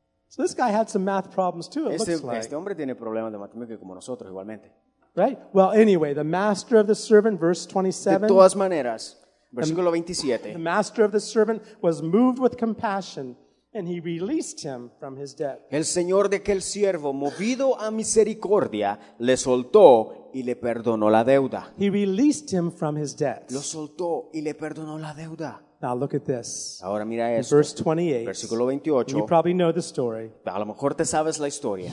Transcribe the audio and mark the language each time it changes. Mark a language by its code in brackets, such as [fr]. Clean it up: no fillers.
[en] So this guy had some math problems too, looks like. [es] Este hombre tiene problemas de matemática como nosotros igualmente. [en] Right? Well, anyway, the master of the servant, verse 27. [es] De todas maneras, versículo 27. [en] The master of the servant was moved with compassion, and he released him from his debt. [es] El señor de aquel siervo, movido a misericordia, le soltó y le perdonó la deuda. [en] He released him from his debt. [es] Lo soltó y le perdonó la deuda. [en] Now look at this. [es] Ahora mira esto. [en] In verse 28. [es] Versículo 28. [en] You probably know the story. [es] A lo mejor te sabes la historia.